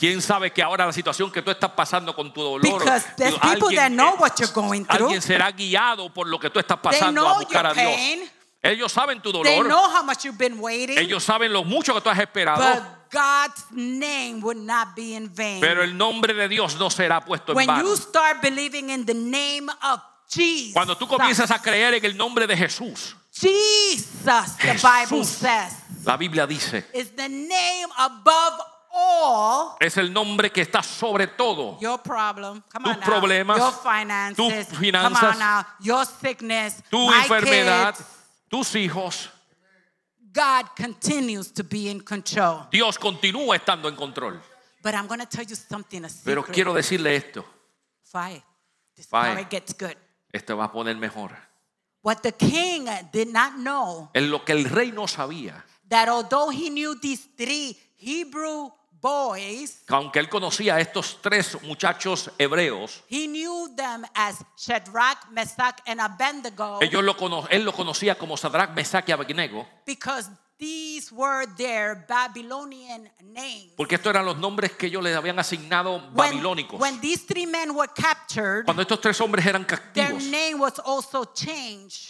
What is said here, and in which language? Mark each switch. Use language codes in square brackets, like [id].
[es] ¿Quién sabe que ahora la situación que tú estás pasando con tu dolor? [en] Because there's people that know what you're going through. [es] Alguien será guiado por lo que tú estás pasando a buscar a Dios. [en] They know your pain. [es] Ellos saben tu dolor. [en] They know how much you've been waiting. [es] Ellos saben lo mucho que tú has esperado. [en] But God's name would not be in vain. [es] Pero el nombre de Dios no será puesto [en] when [es] en vano. [en] When you start believing in the name of Jesus. [es] Cuando tú comienzas a creer en el nombre de Jesús. [en] Jesus, the Bible says. [es] La Biblia dice. [en] Is the name above all. [es] Es el nombre que está sobre todo. [en] Your problem. Come [es] tus [en] on now. [es] Problemas. [en] Your finances. [es] Tus finanzas. [en] Come on now. Your sickness. [es] Tu [en] my [es] enfermedad. [en] Kids. [es] Tus hijos. [en] God continues to be in control. [es] Dios continúa estando en control. [en] But I'm going to tell you something a secret. [es] Pero quiero decirle esto. [en] Fire. This Fire. Fire gets good. [es] Esto va a poner mejor. [en] What the king did not know. [es] En lo que el rey no sabía. [en] That although he knew these three Hebrew boys. [es] Aunque él conocía a estos tres muchachos hebreos. [en] He knew them as Shadrach, Meshach, and Abednego. [es] Él lo conocía como Shadrach, Meshach, y Abednego. [en] Because these were their Babylonian names. [es] Porque estos eran los nombres que ellos les habían asignado babilónicos. [en] When these three men were captured. [es] Cuando estos tres hombres eran cautivos. [en] Their name was also changed.